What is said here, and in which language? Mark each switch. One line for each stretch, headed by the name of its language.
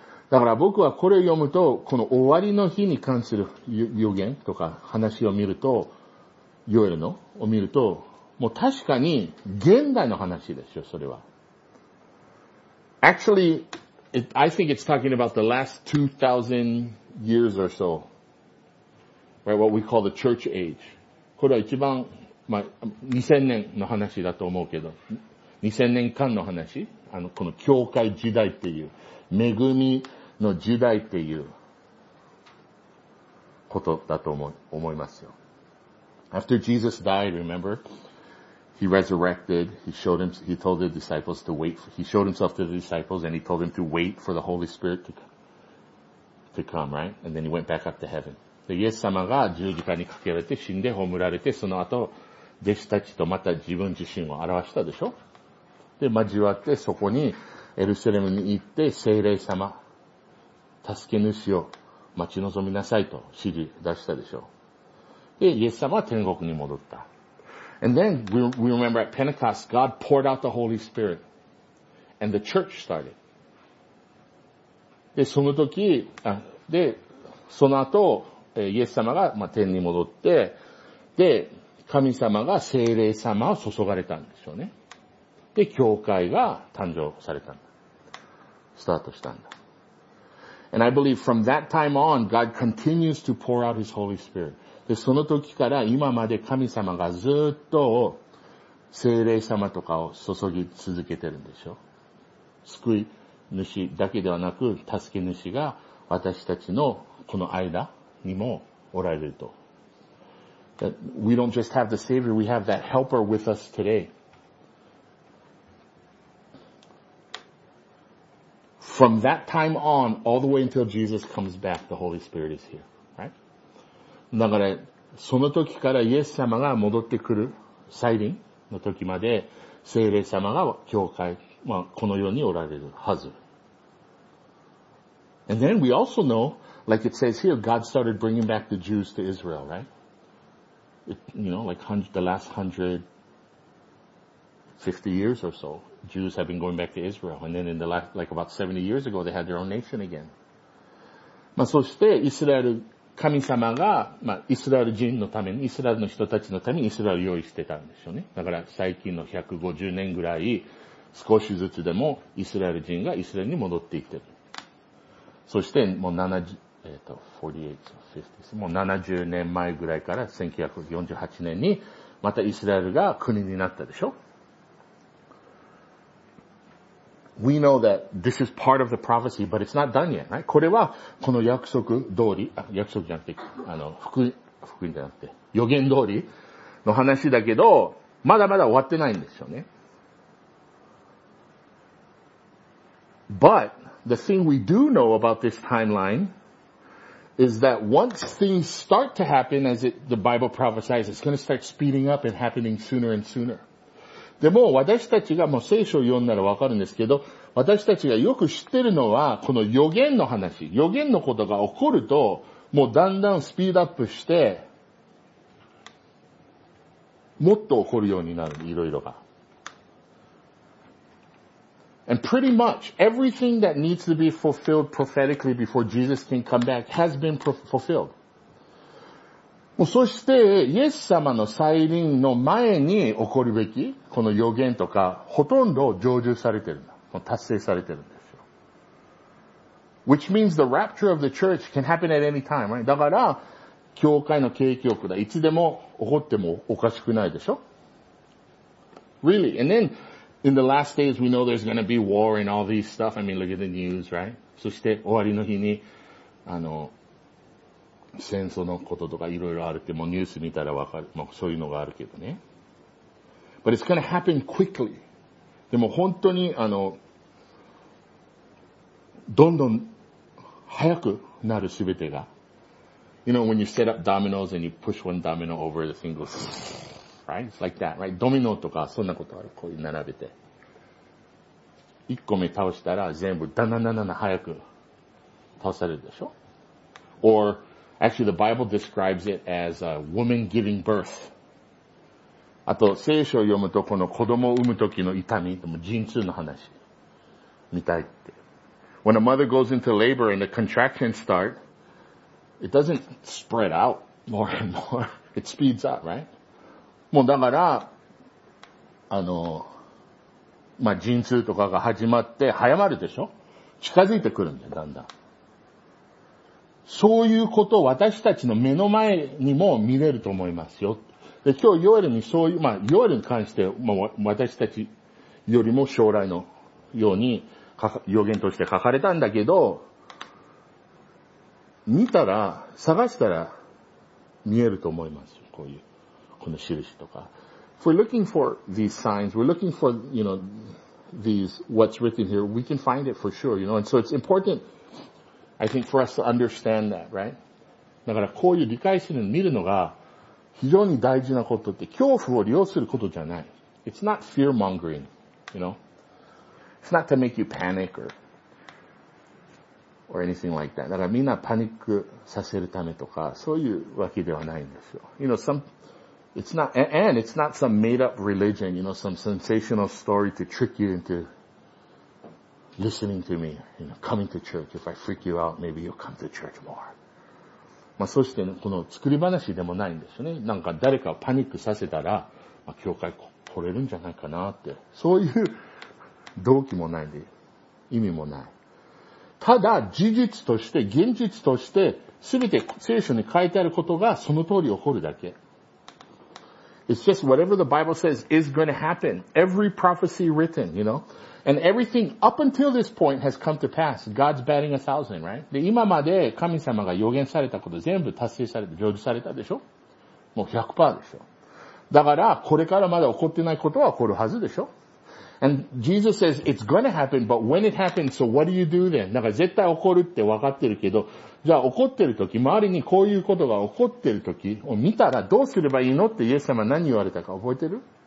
Japanese: だから僕はこれを読むと、この終わりの日に関する予言とか話を見ると、ヨエルのを見ると、もう確かに現代の話ですよ、それは。
English: Actually, I think it's talking about the last 2,000 years or so. Right, what we call the church age.
Japanese: これは一番、まあ、2000年の話だと思うけど、2000年間の話、この教会時代っていう、恵みの時代っていうことだと思いますよ。
English: After Jesus died, remember? He resurrected, he told the disciples to wait, he showed himself to the disciples and he told them to wait for the Holy Spirit to come, right? And then he went back up to heaven.
Japanese: で、イエス様が十字架にかけられて死んで葬られて、その後、弟子たちとまた自分自身を表したでしょ？で、交わってそこにエルサレムに行って聖霊様、助け主を待ち望みなさいと指示出したでしょ？で、イエス様は天国に戻った。
English: And then we remember at Pentecost, God poured out the Holy Spirit, and the church started.
Japanese: で、その時、で、その後、イエス様が、まあ、天に戻って、で、神様が聖霊様を注がれたんですよね。で、教会が誕生されたんだ。スタートしたんだ。
English: And I believe from that time on, God continues to pour out His Holy Spirit.
Japanese: で、その時から今まで神様がずっと聖霊様とかを注ぎ続けてるんでしょ。救い主だけではなく、助け主が私たちのこの間にもおられると。
English: That we don't just have the Savior, we have that Helper with us today. From that time on, all the way until Jesus comes back, the Holy Spirit is here.
Japanese: だから、その時からイエス様が戻ってくる再臨の時まで、聖霊様が教会、まあ、この世におられるはず。
English: And then we also know, like it says here, God started bringing back the Jews to Israel, right? The last 150 years or so, Jews have been going back to Israel. And then in the last, like about 70 years ago, they had their own nation again.
Japanese: まあ、そして、イスラエル、神様が、まあ、イスラエル人のために、イスラエルの人たちのためにイスラエルを用意してたんですよね。だから最近の150年ぐらい、少しずつでもイスラエル人がイスラエルに戻っていってる。そしてもう70年前ぐらいから1948年に、またイスラエルが国になったでしょ。
English: We know that this is part of the prophecy, but it's not done yet, right?
Japanese: これはこの約束通り、約束じゃなくて、福音じゃなくて、予言通りの話だけど、まだまだ終わってないんですよね。
English: But the thing we do know about this timeline is that once things start to happen, as the Bible prophesies, it's going to start speeding up and happening sooner and sooner.
Japanese: でも私たちがもう聖書を読んだらわかるんですけど、私たちがよく知ってるのはこの予言の話、予言のことが起こるともうだんだんスピードアップしてもっと起こるようになる、いろいろが。
English: And pretty much everything that needs to be fulfilled prophetically before Jesus can come back has been fulfilled.
Japanese: もうそして、イエス様の再臨の前に起こるべき、この予言とか、ほとんど成就されてるんだ。もう達成されてるんですよ。
English: Which means the rapture of the church can happen at any time, right?
Japanese: だから、教会の景気をくだ。いつでも起こってもおかしくないでしょ？
English: Really. And then in the last days, we know there's going to be war and all these stuff. I mean, look at the news, right?
Japanese: そして終わりの日に、あの、戦争のこととかいろいろあるって、もうニュース見たらわかる。もうそういうのがあるけどね。
English: But it's going to happen quickly.
Japanese: でも本当に、あの、どんどん早くなるすべてが。
English: You know, when you set up dominoes and you push one domino over, the thing goes, right? It's like that, right?
Japanese: ドミノとか、そんなことある。こういう並べて。一個目倒したら全部、だなななな早く倒されるでしょ
English: ?Or, actually the Bible describes it as a woman giving birth.
Japanese: あと、聖書を読むと、この子供を産む時の痛み、でも陣痛の話、見たいって。
English: When a mother goes into labor and the contractions start, it doesn't spread out more and more. It speeds up, right?
Japanese: もうだから、あの、まあ、陣痛とかが始まって早まるでしょ？近づいてくるんだよ、だんだん。そういうことを私たちの目の前にも見れると思いますよ。で、今日ヨエルにそういう、まあ、ヨエルに関して、まあ、私たちよりも将来のように、予言として書かれたんだけど、見たら、探したら、見えると思いますよ。こういう、この印とか。
English: If we're looking for these signs, we're looking for, you know, these, what's written here, we can find it for sure, you know, and so it's important, I think, for us to understand that, right?
Japanese: だからこういう理解するのを見るのが、非常に大事なことって、恐怖を利用することじゃない。
English: It's not fear-mongering, you know? It's not to make you panic or anything like that.
Japanese: だからみんなパニックさせるためとか、そういうわけではないんですよ。
English: You know, it's not some made up religion, you know, some sensational story to trick you into listening to me, you know, coming to church. If I freak you out, maybe you'll come to church more.
Japanese: まあそして、ね、この作り話でもないんですよね。なんか誰かをパニックさせたら、まあ教会来れるんじゃないかなって。そういう動機もないんで、意味もない。ただ、事実として、現実として、すべて聖書に書いてあることがその通り起こるだけ。
English: It's just whatever the Bible says is going to happen. Every prophecy written, you know? And everything up until this point has come to pass. God's batting a thousand, right?
Japanese: で、今まで神様が予言されたこと全部達成されて、成就されたでしょ？もう 100% でしょ。だから、これからまだ起こってないことは起こるはずでしょ？
English: And Jesus says, it's gonna happen, but when it happens, so what do you do then?
Japanese: なんか絶対起こるって分かってるけど、じゃあ起こってる時、周りにこういうことが起こってる時を見たらどうすればいいのってイエス様何言われたか覚えてる？